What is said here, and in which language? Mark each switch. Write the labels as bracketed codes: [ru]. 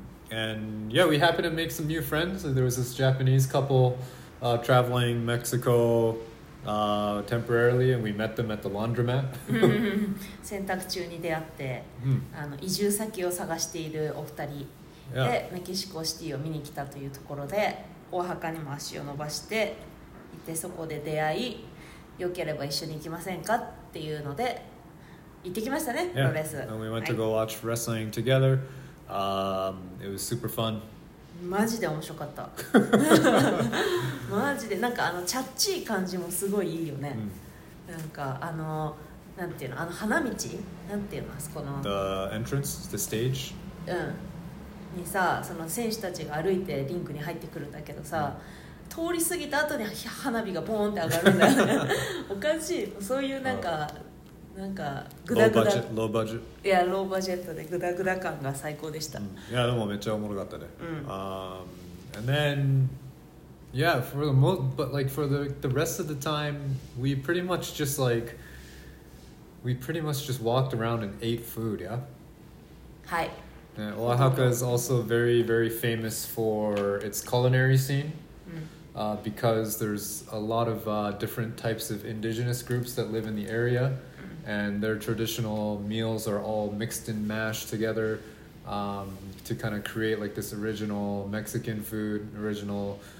[en] And yeah, we happened to make some new friends. There was this Japanese couple traveling Mexico,temporarily, and we met them at the laundromat. [ja] 洗濯中に出会って、移住先を探しているお二人で、メキシコシティを見に来たというところで、オアハカにも足を伸ばしていて、そこで出会い、良ければ一緒に行きませんかっていうので行ってきましたね、プロレス。 [en] And we went to go watch wrestling together. It was super fun. [ja] マジで面白かった。マジでなんかあのチャッチー感じもすごいいいよね。なんかあのなんていうの、あの花道なんていうの、この [en] The entrance, the stage、 [ja] にさ、その選手たちが歩いてリンクに入ってくるんだけどさ、通り過ぎた後に花火がポーンって上がるんだよねおかしい、そういうなんか、なんかグダグダ、ローバジェット、いやローバジェットでグダグダ感が最高でした、うん、いやでもめっちゃおもろかったね、うん、 [en] and then yeah for the most but like for the rest of the time we pretty much just like we pretty much just walked around and ate food yeah [ja] はい、 [en] Oaxaca is also very, very famous for its culinary scene、because there's a lot of、different types of indigenous groups that live in the area、and their traditional meals are all mixed and mashed together、to kind of create like this original Mexican food, original...